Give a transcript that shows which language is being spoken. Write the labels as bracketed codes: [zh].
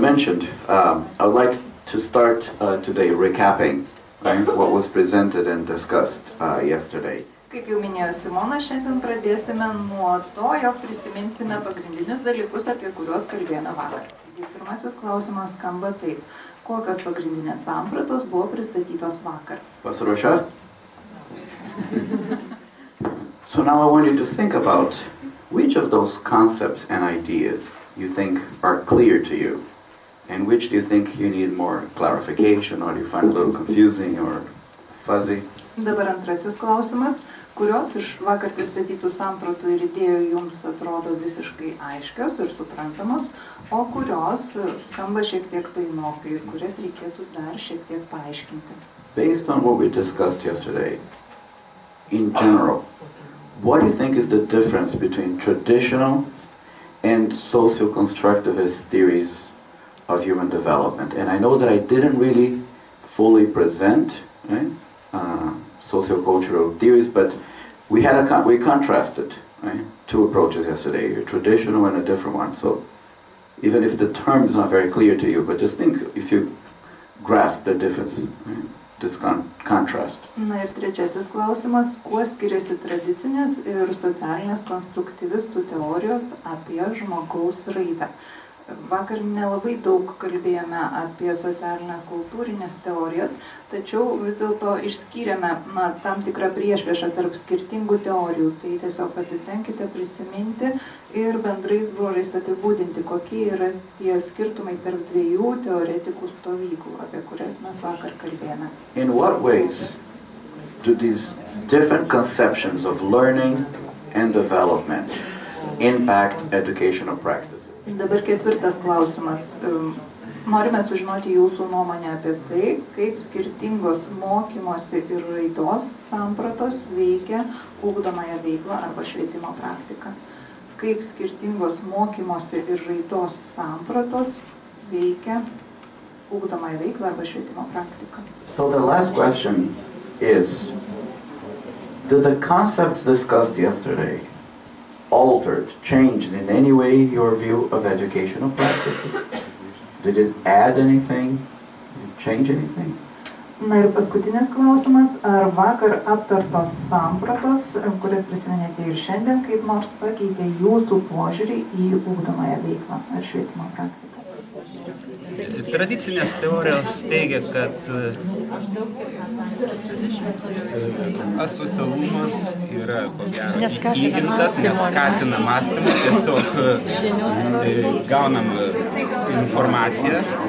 [en] mentioned, I would like to start today recapping what was presented and discussed yesterday. [lt] Kaip jau minėjo Simona, šiandien pradėsime nuo to, jog prisiminsime pagrindinius dalykus, apie kuriuos kalbėjome vakar. Pirmasis klausimas skamba taip. Kokios pagrindinės sampratos buvo pristatytos vakar? Pasiruošę? [en] So now I want you to think about which of those concepts and ideas you think are clear to you and which do you think you need more clarification or do you find a little confusing or fuzzy? [lt] Dabar antrasis klausimas. Kurios iš vakar pristatytų sampratų ir idėjų jums atrodo visiškai aiškios ir suprantamos, o kurios skamba šiek tiek painokai ir kurias reikėtų dar šiek tiek paaiškinti? [en] Based on what we discussed yesterday, in general, what do you think is the difference between traditional and socio-constructivist theories of human development? And I know that I didn't really fully present, sociocultural theories, but we contrasted two approaches yesterday, a traditional and a different one. So even if the term is not very clear to you, but just think if you grasp the difference, this contrast. [lt] Na ir trečiasis klausimas, kuo skiriasi tradicinės ir socialinės konstruktyvistų teorijos apie žmogaus raidą? Vakar nelabai daug kalbėjome apie socialinę kultūrinės teorijas, tačiau vis dėlto išskyrėme tam tikrą priešpriešą tarp skirtingų teorijų. Tai tiesiog pasistengkite prisiminti ir bendrais bruožais apibūdinti, kokie yra tie skirtumai tarp dviejų teoretikų stovyklų, apie kurias mes vakar kalbėjome. [en] In what ways do these different conceptions of learning and development impact educational practices? [lt] Dabar ketvirtas klausimas. Norime sužinoti jūsų nuomonę apie tai, kaip skirtingos mokymosi ir raidos sampratos veikia ugdomąją veiklą arba švietimo praktiką. Kaip skirtingos mokymosi ir raidos sampratos veikia ugdomąją veiklą arba švietimo praktiką. [en] So the last question is, did the concepts discussed yesterday altered, changed in any way your view of educational practices? Did it add anything? Did it change anything? [lt] Na ir paskutinis klausimas, ar vakar aptartos sampratos, kurias prisiminėte ir šiandien, kaip nors pakeitė jūsų požiūrį į ugdomąją veiklą ar švietimo praktiką? Tradicinės teorijos teigia, kad asocialumas yra įgimtas, neskatina mąstymą, tiesiog gaunam informaciją.